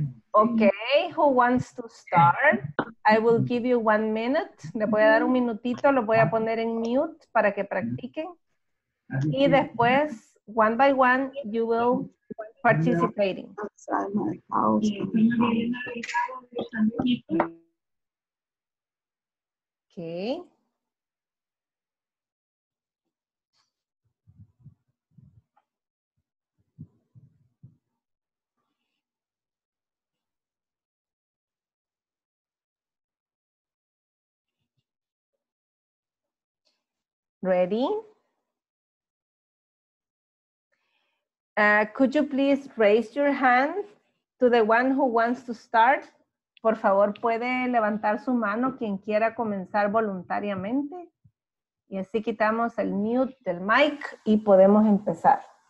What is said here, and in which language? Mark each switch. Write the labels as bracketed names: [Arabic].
[English] Okay, who wants to start? I will give you 1 minute. [Spanish] Le voy a dar un minutito, lo voy a poner en mute para que practiquen. Y después, [English] one by one, you will participate. Okay. Ready? Could you please raise your hand to the one who wants to start? [Spanish] Por favor, puede levantar su mano quien quiera comenzar voluntariamente. Y así quitamos el mute del mic y podemos empezar.